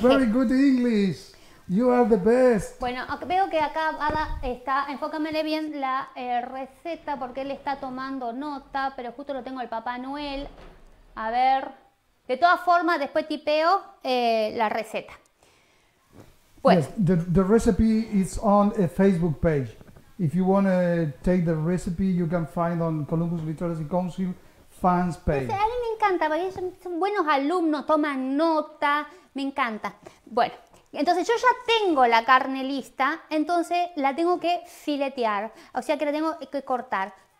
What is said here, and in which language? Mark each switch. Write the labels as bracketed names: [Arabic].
[English] Very good English. You are the best. [Spanish] Bueno, veo que acá Ada está, enfócamele bien la receta porque él está tomando nota, pero justo lo tengo el Papá Noel. A ver, de todas formas después tipeo la receta. Pues. [English] Yes, the recipe is on a Facebook page. If you want to take the recipe, you can find on Columbus Literacy Council fans page. [Spanish] A mí me encanta, porque son buenos alumnos, toman nota, me encanta. Bueno, entonces yo ya tengo la carne lista, entonces la tengo que filetear, o sea que la tengo que cortar.